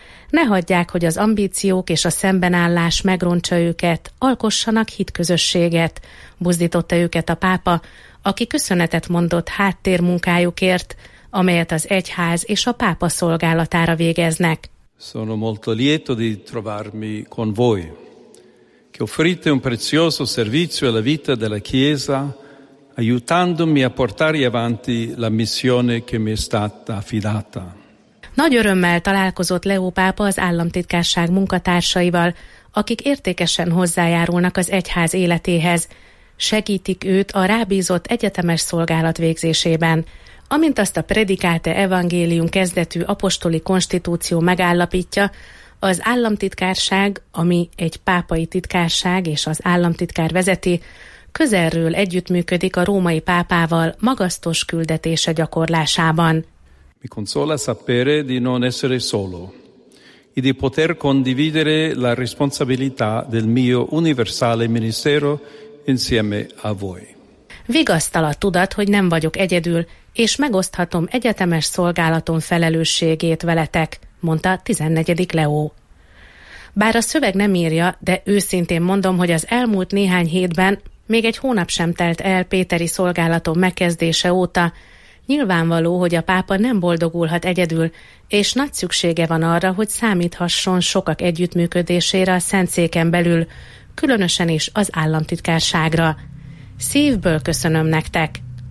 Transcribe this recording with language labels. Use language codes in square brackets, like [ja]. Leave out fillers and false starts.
[hu] Ne hagyják, hogy az ambíciók és a szembenállás megrontsa őket, alkossanak hitközösséget, buzdította őket a pápa, aki köszönetet mondott háttérmunkájukért, amelyet az egyház és a pápa szolgálatára végeznek. [it] Sono molto lieto di trovarmi con voi, che offrite un prezioso servizio alla vita della Chiesa, aiutandomi a portare avanti la missione che mi è stata affidata. [hu] Nagy örömmel találkozott Leó pápa az államtitkárság munkatársaival, akik értékesen hozzájárulnak az egyház életéhez, segítik őt a rábízott egyetemes szolgálat végzésében. Amint azt a Predicate Evangelium kezdetű apostoli konstitúció megállapítja, az államtitkárság, ami egy pápai titkárság és az államtitkár vezeti, közelről együttműködik a római pápával magasztos küldetése gyakorlásában. [it] Mi consola sapere di non essere solo e di poter condividere la responsabilità del mio universale ministero insieme a voi. [hu] Vigasztal a tudat, hogy nem vagyok egyedül, és megoszthatom egyetemes szolgálatom felelősségét veletek, mondta 14. Leó. Bár a szöveg nem írja, de őszintén mondom, hogy az elmúlt néhány hétben, még egy hónap sem telt el péteri szolgálatom megkezdése óta, nyilvánvaló, hogy a pápa nem boldogulhat egyedül, és nagy szüksége van arra, hogy számíthasson sokak együttműködésére a Szentszéken belül, különösen is az államtitkárságra. Szívből köszönöm nektek!